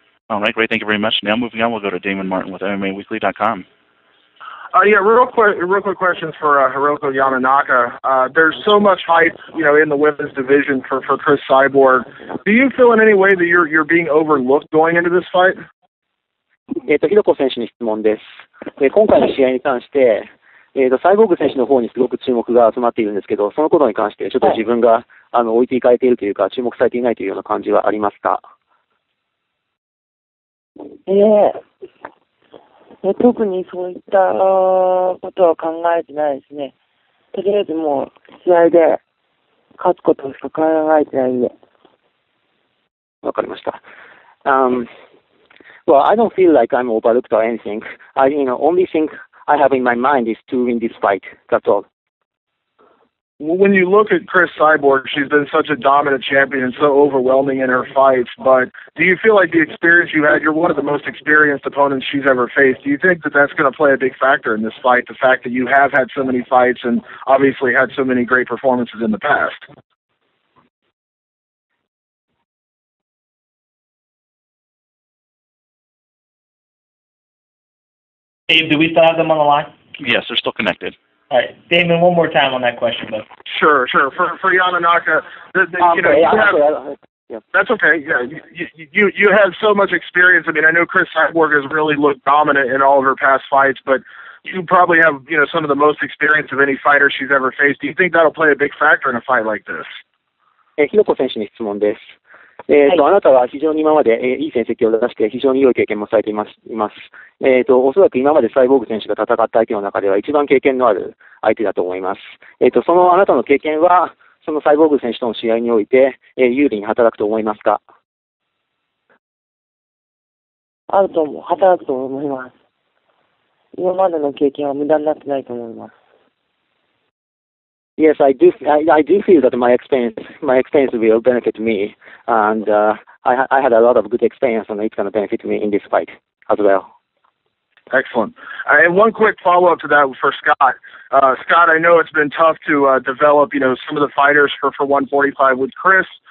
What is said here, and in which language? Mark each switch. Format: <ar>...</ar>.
<en>All right, great. Thank you very much. Now moving on, we'll go to Damon Martin with MMAWeekly.com. Yeah, real quick questions for Hiroko Yamanaka. There's so much hype, you know, in the women's division for Chris Cyborg. Do you feel in any way that you're being overlooked going into this fight?</en> <ja>Hiroko 選手に質問です。今回の試合に関して、サイボーグ選手の方にすごく注目が集まっているんですけど、そのことに関してちょっと自分が置いていかれているというか、注目されていないというような感じはありますか？特にそういったことは考えてないですね。とりあえずもう試合で勝つことしか考えてないんで。わかりました。</ja> <en>Well, I don't feel like I'm overlooked or anything. I, you know, only thing I have in my mind is to win this fight. That's all. When you look at Chris Cyborg, she's been such a dominant champion and so overwhelming in her fights, but do you feel like the experience you had, you're one of the most experienced opponents she's ever faced. Do you think that that's going to play a big factor in this fight, the fact that you have had so many fights and obviously had so many great performances in the past? Dave, do we still have them on the line? Yes, they're still connected. All right, Damon, one more time on that question, though. Sure. For Yamanaka, that's okay. Yeah, you have so much experience. I mean, I know Chris Cyborg has really looked dominant in all of her past fights, but you probably have, you know, some of the most experience of any fighter she's ever faced. Do you think that'll play a big factor in a fight like this?</en> <ja>Hiroko 選手に質問です。あなたは非常に今まで、いい成績を出して非常に良い経験もされています。おそらく今までサイボーグ選手が戦った相手の中では一番経験のある相手だと思います。そのあなたの経験は、そのサイボーグ選手との試合において、有利に働くと思いますか？あると思う。働くと思います。今までの経験は無駄になってないと思います。</ja> <en>Yes, I do feel that my experience will benefit me, and I had a lot of good experience, and it's going to benefit me in this fight as well. Excellent. And one quick follow-up to that for Scott. Scott, I know it's been tough to develop, you know, some of the fighters for 145 with Chris.</en>